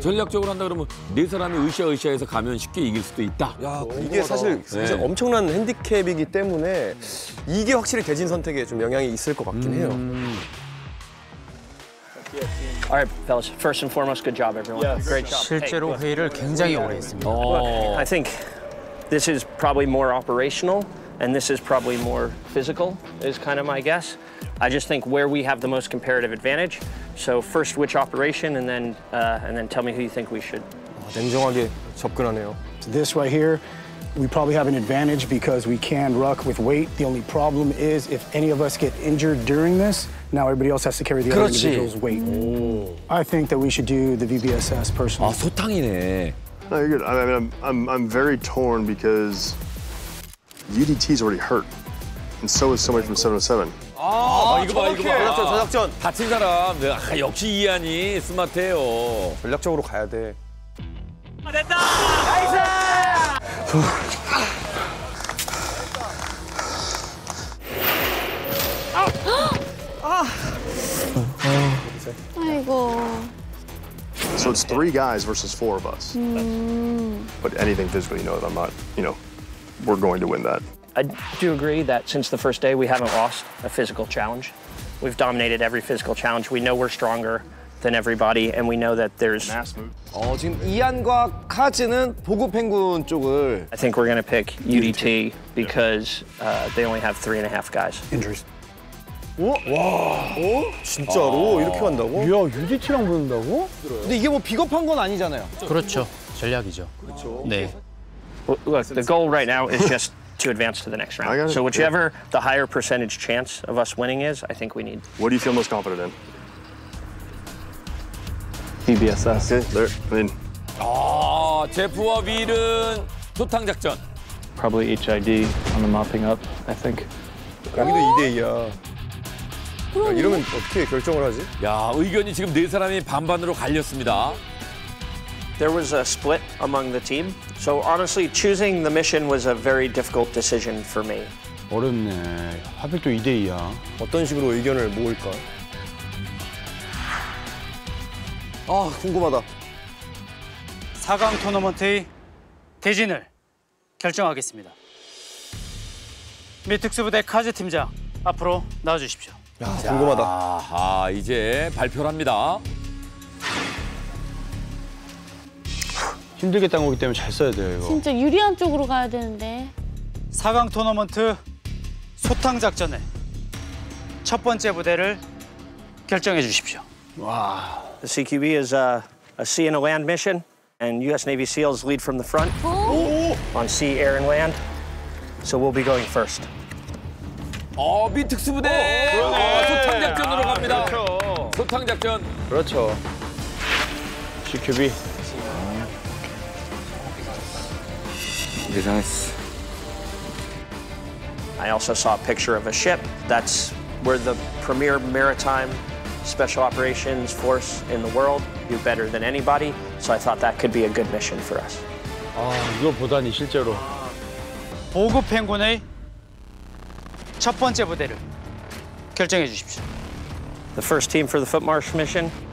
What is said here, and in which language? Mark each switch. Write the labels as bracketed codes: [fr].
[ko] 전략적으로 한다 그러면 네 사람이 으쌰으쌰해서 가면 쉽게 이길 수도 있다. 이게 사실 엄청난 핸디캡이기 때문에 이게 확실히 대진 선택에 좀 영향이 있을 것 같긴 해요. [en] All right, fellas. First and foremost, good job, everyone. Yes. Great job. [ko] 실제로 회의를 굉장히 오래 했습니다. [en] I think this is probably more operational, and this is probably more physical. Is kind of my guess. I just think where we have the most comparative advantage. So first, which operation, and then tell me who you think we should. [ko] 냉정하게 접근하네요. [en] This right here, we probably have an advantage because we can ruck with weight. The only problem is if any of us get injured during this. Now everybody else has to carry the other individual's weight. I think that we should do the VBSS personally. [ko] 소탕이네. [en] No, you're good. I'm very torn because UDT is already hurt, and so is somebody from 707. [ko] 이거 봐. 전작전. 다친 사람. 역시 이한이 스마트해요. 전략적으로 가야 돼. 됐다. 나이스. 아이고. [en] So it's three guys versus four of us. But anything physical, you know, I'm not, you know, we're going to win that. I do agree that since the first day, we haven't lost a physical challenge. We've dominated every physical challenge. We know we're stronger than everybody, and we know that there's. [ko] 지금 이안과 카즈는 보급 행군 쪽을. [en] I think we're going to pick UDT because they only have 3.5 guys. Injuries. [ko] 진짜로 이렇게 간다고? 야, UDT랑 붙는다고? 근데 이게 뭐 비겁한 건 아니잖아요. 그렇죠. 전략이죠. 그렇죠. 네. [en] Well, look, the goal right now is just to advance to the next round. So whichever the higher percentage chance of us winning is, I think we need. What do you feel most confident in? VBSS. Okay, there. I mean. [ko] 제프와 윌은 소탕 작전. [en] Probably HID on the mopping up, I think. [ko] 여기도 2대2야. 야, 이러면 어떻게 결정을 하지? 야, 의견이 지금 네 사람이 반반으로 갈렸습니다. [en] There was a split among the team. So honestly, choosing the mission was a very difficult decision for me. [ko] 어렵네. 하필 또 2대2야. 어떤 식으로 의견을 모을까? 아, 궁금하다. 4강 토너먼트의 대진을 결정하겠습니다. 미특수부대 카즈 팀장, 앞으로 나와주십시오. 야, 궁금하다. 아, 이제 발표를 합니다. 힘들게 딴 거기 때문에 잘 써야 돼요, 이거. 진짜 유리한 쪽으로 가야 되는데. 4강 토너먼트 소탕 작전에 첫 번째 부대를 결정해 주십시오. 와. [en] The CQB is a sea and a land mission, and U.S. Navy SEALs lead from the front on sea, air, and land. So we'll be going first. [ko] 어, 미 특수부대 소탕 작전으로 갑니다. 그렇죠. 소탕 작전. 그렇죠. CQB. 예상했어. [en] I also saw a picture of a ship. That's where the premier maritime special operations force in the world do better than anybody. So I thought that could be a good mission for us. [ko] 아, 이거 보다니 실제로. 보급 행군의 첫 번째 부대를 결정해 주십시오. [en] The first team for the foot march mission.